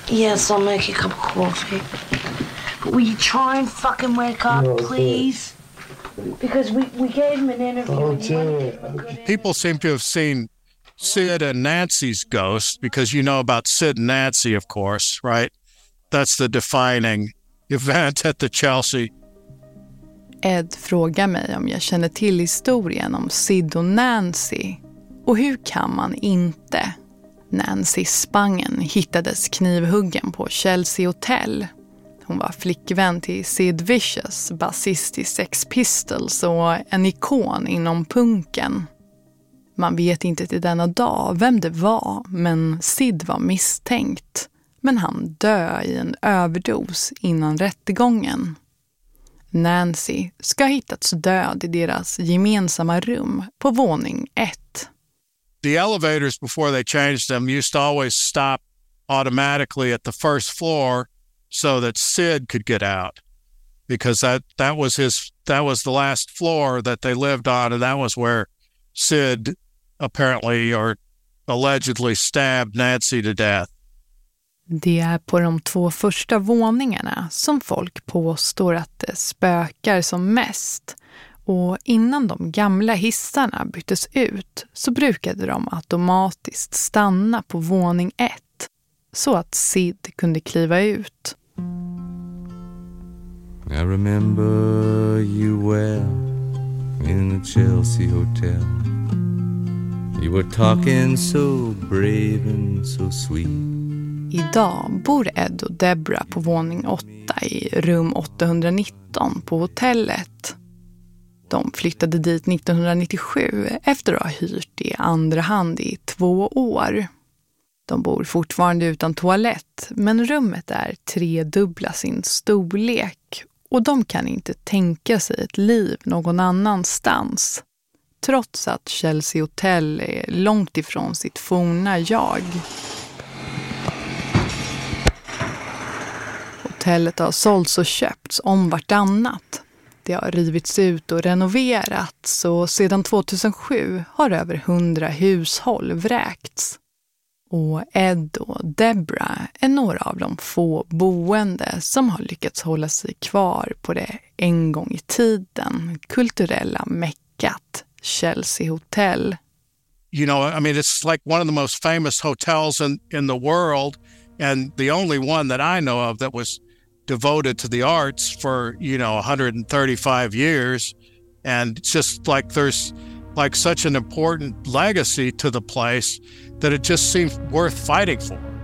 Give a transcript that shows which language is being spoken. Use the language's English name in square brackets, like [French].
[English] Yes, I'll make you a cup of coffee. But will you try and fucking wake up, no, please? Because we gave him an interview. Don't do it. People seem to have seen Sid and Nancy's ghost, because you know about Sid and Nancy, of course, right? That's the defining event at the Chelsea. [Swedish] Ed frågar mig om jag känner till historien om Sid och Nancy. Och hur kan man inte? Nancy Spangen hittades knivhuggen på Chelsea Hotel. Hon var flickvän till Sid Vicious, basist i Sex Pistols och en ikon inom punken. Man vet inte till denna dag vem det var, men Sid var misstänkt. Men han dö i en överdos innan rättegången. Nancy ska ha hittats död i deras gemensamma rum på våning ett. [English] The elevators before they changed them used to always stop automatically at the first floor so that Sid could get out. Because that was the last floor that they lived on, and that was where Sid apparently or allegedly stabbed Nancy to death. [Swedish] Det är på de två första våningarna som folk påstår att det spökar som mest. Och innan de gamla hissarna byttes ut så brukade de automatiskt stanna på våning ett så att Sid kunde kliva ut. [English] I remember you well in the Chelsea Hotel. You were talking so brave and so sweet. [Swedish] Idag bor Ed och Debra på våning 8 i rum 819 på hotellet. De flyttade dit 1997 efter att ha hyrt i andra hand i 2 år. De bor fortfarande utan toalett, men rummet är tredubbla sin storlek och de kan inte tänka sig ett liv någon annanstans. Trots att Chelsea Hotel är långt ifrån sitt forna jag. Hotellet har sålts och köpts om vartannat. Det har rivits ut och renoverats och sedan 2007 har över 100 hushåll vräkts. Och Ed och Debra är några av de få boende som har lyckats hålla sig kvar på det en gång i tiden kulturella meckat Chelsea Hotel. [English] You know, I mean it's like one of the most famous hotels in the world and the only one that I know of that was devoted to the arts for, you know, 135 years. And it's just like there's like such an important legacy to the place that it just seems worth fighting for.